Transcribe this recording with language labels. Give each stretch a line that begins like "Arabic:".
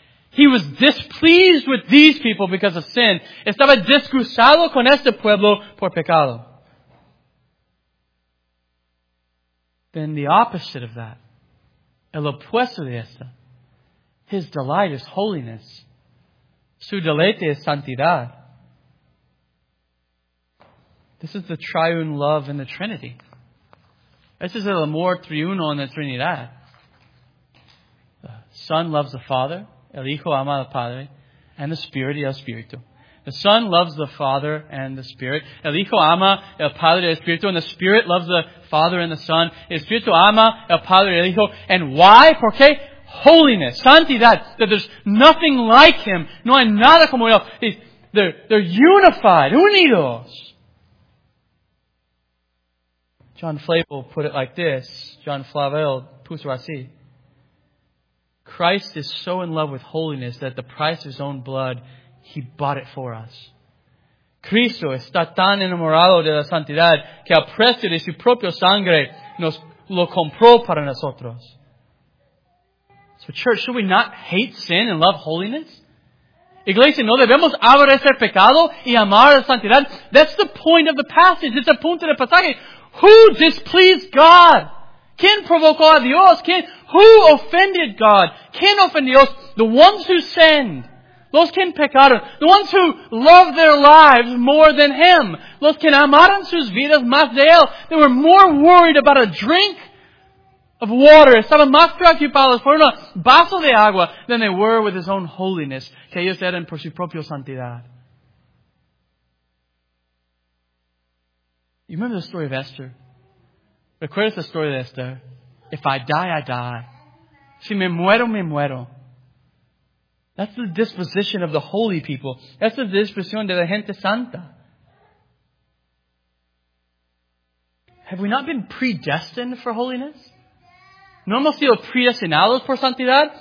English: He was displeased with these people because of sin.
Spanish: Estaba disgustado con este pueblo por pecado.
English: Then the opposite of that,
Spanish: el opuesto de esta,
English: his delight is holiness.
Spanish: Su deleite es santidad.
English: This is the triune love in the Trinity. This is
Spanish: el amor triuno en la Trinidad.
English: The Son loves the Father,
Spanish: el Hijo ama al Padre,
English: and the Spirit
Spanish: y el Espíritu.
English: The Son loves the Father and the Spirit.
Spanish: El Hijo ama el Padre y el Espíritu,
English: and the Spirit loves the Father and the Son.
Spanish: El Espíritu ama el Padre y el Hijo.
English: And why?
Spanish: ¿Por qué?
English: holiness,
Spanish: santidad,
English: that there's nothing like Him.
Spanish: No hay nada como Él.
English: They're unified,
Spanish: unidos.
English: John Flavel put it like this.
Spanish: John Flavel puso así.
English: Christ is so in love with holiness that the price of His own blood, He bought it for us.
Spanish: Cristo está tan enamorado de la santidad que al precio de su propio sangre nos lo compró para nosotros.
English: So church, should we not hate sin and love holiness?
Spanish: Iglesia, ¿no debemos aborrecer pecado y amar la santidad?
English: That's the point of the passage. It's the
Spanish: punto del pasaje.
English: Who displeased God?
Spanish: ¿Quién provocó a Dios?
English: Who offended God?
Spanish: ¿Quién offended Dios?
English: The ones who sinned.
Spanish: Los que pecaron.
English: The ones who loved their lives more than Him.
Spanish: Los que amaron sus vidas más de Él.
English: They were more worried about a drink of water.
Spanish: Estaban más preocupados por un vaso de agua
English: than they were with His own holiness.
Spanish: Que ellos eran por su propia santidad.
English: You remember the story of Esther?
Spanish: ¿Recuerdas
English: the story of Esther? If I die, I die.
Spanish: Si me muero, me muero.
English: That's the disposition of the holy people. That's the disposition
Spanish: de la gente santa.
English: Have we not been predestined for holiness?
Spanish: ¿No hemos sido predestinados por santidad?